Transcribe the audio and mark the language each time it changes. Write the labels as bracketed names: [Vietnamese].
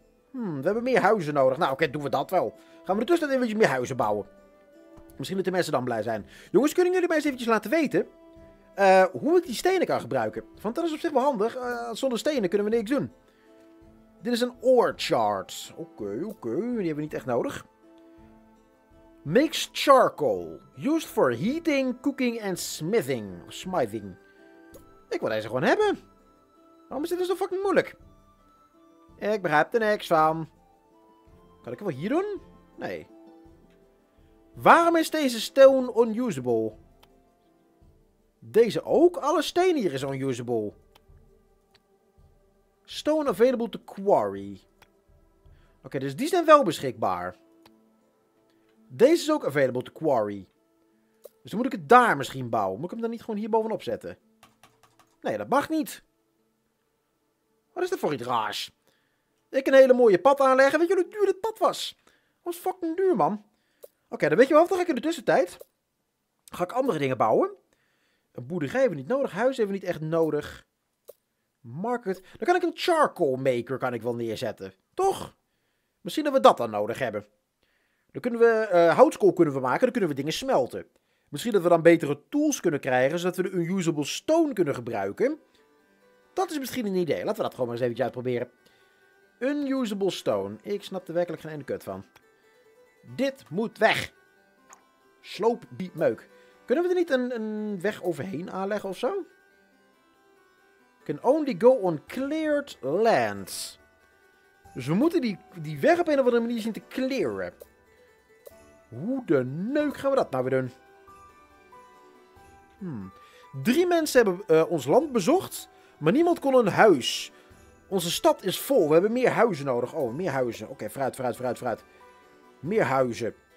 [Dutch] We hebben meer huizen nodig. Nou, oké, doen we dat wel. Gaan we ertussen even meer huizen bouwen. Misschien dat de mensen dan blij zijn. Jongens, kunnen jullie mij eens eventjes laten weten hoe ik die stenen kan gebruiken? Want dat is op zich wel handig. Zonder stenen kunnen we niks doen. Dit is een ore chart. Oké. Die hebben we niet echt nodig. [English] Makes charcoal. Used for heating, cooking and smithing. Smithing. [Dutch] Ik wil deze gewoon hebben. Waarom is dit zo fucking moeilijk? Ik begrijp er niks van. Kan ik het wel hier doen? Nee. Waarom is deze [English] stone unusable? [Dutch] Deze ook? Alle stenen hier is unusable. [English] Stone available to quarry. [Dutch] Oké, dus die zijn wel beschikbaar. Deze is ook [English] available to quarry. [Dutch] Dus dan moet ik het daar misschien bouwen. Moet ik hem dan niet gewoon hier bovenop zetten? Nee, dat mag niet. Wat is dat voor iets raars? Ik een hele mooie pad aanleggen. Weet je hoe duur dit pad was? Dat was fucking duur, man. Oké, dan weet je wel. Dan ga ik in de tussentijd. Ga ik andere dingen bouwen. Een boerderij hebben we niet nodig. Huis hebben we niet echt nodig. Market. Dan kan ik een charcoal maker kan ik wel neerzetten. Toch? Misschien dat we dat dan nodig hebben. Dan kunnen we houtskool kunnen we maken. Dan kunnen we dingen smelten. Misschien dat we dan betere tools kunnen krijgen. Zodat we de unusable stone kunnen gebruiken. Dat is misschien een idee. Laten we dat gewoon maar eens eventjes uitproberen. Unusable stone. Ik snap er werkelijk geen ene kut van. Dit moet weg. Sloop die meuk. Kunnen we er niet een weg overheen aanleggen of zo? [English] Can only go on cleared lands. [Dutch] Dus we moeten die weg op een of andere manier zien te clearen. Hoe de neuk gaan we dat nou weer doen? Drie mensen hebben ons land bezocht, maar niemand kon een huis. Onze stad is vol. We hebben meer huizen nodig. Oh, meer huizen. Oké, fruit. Meer huizen.